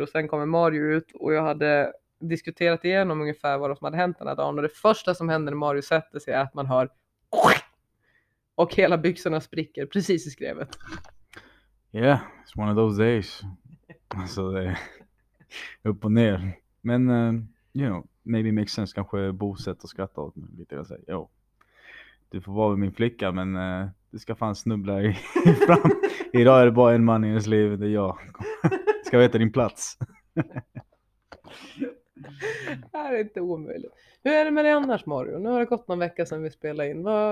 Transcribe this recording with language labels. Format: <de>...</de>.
<sv>Och sen kommer Mario ut och jag hade diskuterat igenom ungefär vad som hade hänt den här dagen. Och det första som händer när Mario sätter sig är att man hör och hela byxorna spricker precis i skrevet.</sv> <en>Yeah, it's one of those days.</en> <sv>Alltså det är upp och ner.</sv> <en>Men, you know, maybe it makes sense.</en> <sv>Kanske bosätt och skratta åt mig lite. Alltså, jo, du får vara med min flicka, men du ska fan snubbla i fram. Idag är det bara en man i ens liv, det är jag. Ska veta din plats. Det här är inte omöjligt. Hur är det med dig annars, Mario? Nu har det gått någon vecka sedan vi spelade in.</sv>